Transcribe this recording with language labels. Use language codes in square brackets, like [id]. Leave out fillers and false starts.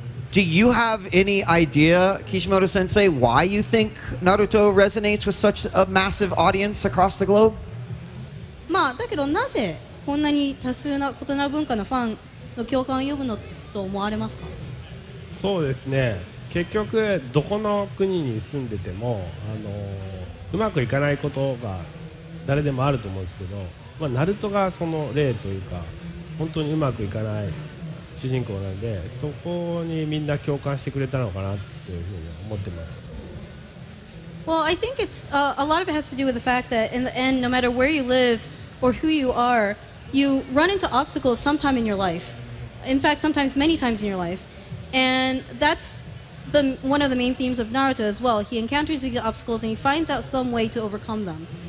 [en] Do you have any idea, Kishimoto-sensei, why you think Naruto resonates with such a massive audience across the globe? [ja] まあ、だけどなぜこんなに多数な異なる文化のファンの共感を呼ぶのと思われますか？そうですね。結局どこの国に住んでてもあのうまくいかないことが誰でもあると思うんですけど、まあ、ナルトがその例というか本当にうまくいかない主人公なんで、そこにみんな共感してくれたのかなっていうふうに思ってます。 [en] Well, I think it's, a lot of it has to do with the fact that in the end, no matter where you live or who you are, you run into obstacles sometime in your life. In fact, sometimes many times in your life. And that's the, one of the main themes of Naruto as well. He encounters these obstacles and he finds out some way to overcome them.